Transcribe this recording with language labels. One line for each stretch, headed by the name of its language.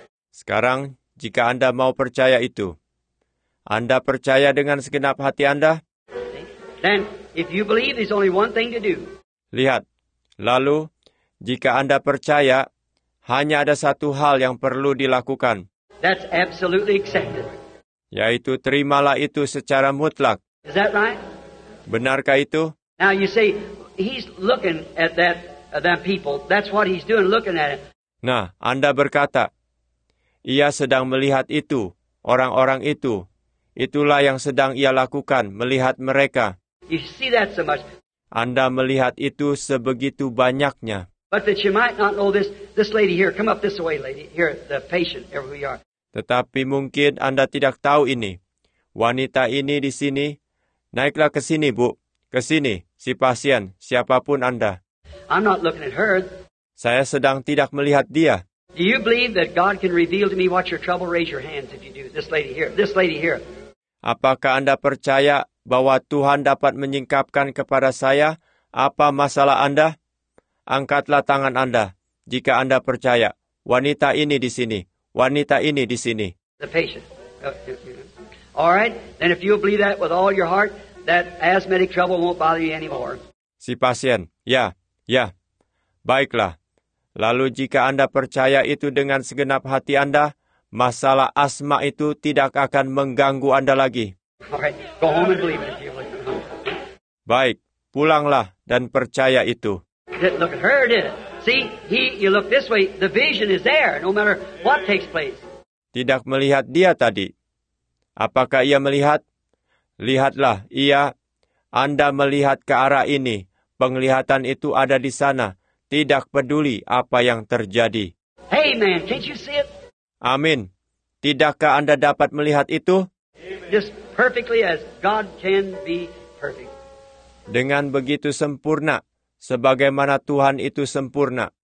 Indonesian: Sekarang, jika Anda mau percaya itu, Anda percaya dengan segenap hati Anda?
English: Then, if you believe, there's only one thing to do.
Indonesian: Lihat, lalu, jika Anda percaya, hanya ada satu hal yang perlu dilakukan.
English: That's absolutely accepted.
Indonesian: Yaitu terimalah itu secara mutlak.
English: Is that right?
Indonesian: Benarkah itu?
English: Now you see, he's looking at that them people. That's what he's doing, looking at it.
Indonesian: Nah, Anda berkata, ia sedang melihat itu, orang-orang itu. Itulah yang sedang ia lakukan, melihat mereka.
English: You see that so much.
Indonesian: Anda melihat itu sebegitu banyaknya.
English: But that you might not know this, this lady here, come up this way, lady here, the patient, here we are.
Indonesian: Tetapi mungkin Anda tidak tahu ini. Wanita ini di sini, naiklah ke sini, Bu. Ke sini, si pasien, siapapun Anda.
English: I'm not looking at her.
Indonesian: Saya sedang tidak melihat dia.
English: Do you believe that God can reveal to me what your trouble? Raise your hands if you do. This lady here.
Indonesian: Apakah Anda percaya bahwa Tuhan dapat menyingkapkan kepada saya apa masalah Anda? Angkatlah tangan Anda jika Anda percaya. Wanita ini di sini. Wanita ini di sini.
English: The patient. All right. Then if you believe that with all your heart, that asthmatic trouble won't bother you anymore.
Indonesian: Si pasien. Ya. Ya. Baiklah. Lalu jika Anda percaya itu dengan segenap hati Anda, masalah asma itu tidak akan mengganggu Anda lagi.
English: All right. Go home and believe it if you believe it.
Indonesian: Baik. Pulanglah dan percaya itu.
English: Didn't look at her, did it? See, you look this way, the vision is there, no matter what takes place.
Indonesian: Tidak melihat dia tadi. Apakah ia melihat? Lihatlah, ia, Anda melihat ke arah ini. Penglihatan itu ada di sana. Tidak peduli apa yang terjadi.
English: Hey man, can't you see it?
Indonesian: Amin. Tidakkah Anda dapat melihat itu?
English: Just perfectly as God can be perfect.
Indonesian: Dengan begitu sempurna. Sebagaimana Tuhan itu sempurna.